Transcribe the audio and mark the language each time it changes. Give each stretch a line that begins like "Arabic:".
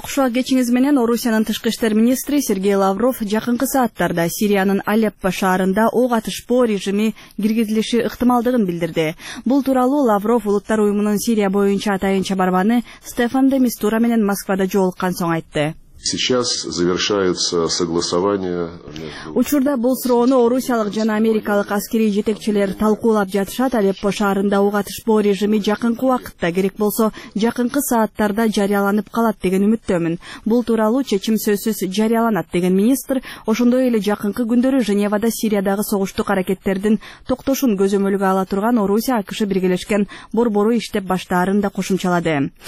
Kyrgyz: Кушуга кечиңиз менен Орусиянын тышкы иштер министри Сергей Лавров жакынкы сааттарда Сириянын Алеппо шаарында ок атышпоо режими киргизилиши ыктымалдыгын билдирди. Бул тууралуу Лавров Улуттар уюмунун Сирия боюнча атайынча барбаны Стефан де Мистура менен Москвада жолуккан соң айтты.
Russian: Сейчас завершается согласование.
Kyrgyz: Учурда бул суроону орусиялык жана америкалык аскерий жетекчилер талкуулап жатышат. Алеппо шаарында ок атышпоо режими жакынкы убакытта, керек болсо жакынкы сааттарда жарыяланып калат деген үмүттөмүн. Бул тууралуу чечим сөзсүз жарыяланат деген министр, ошондой эле жакынкы күндөрү Женевада Сириядагы согуштук аракеттердин токтошун көзөмөлгө ала турган Орусия АКШ биргелешкен борбору иштеп баштаарын да кошумчалады.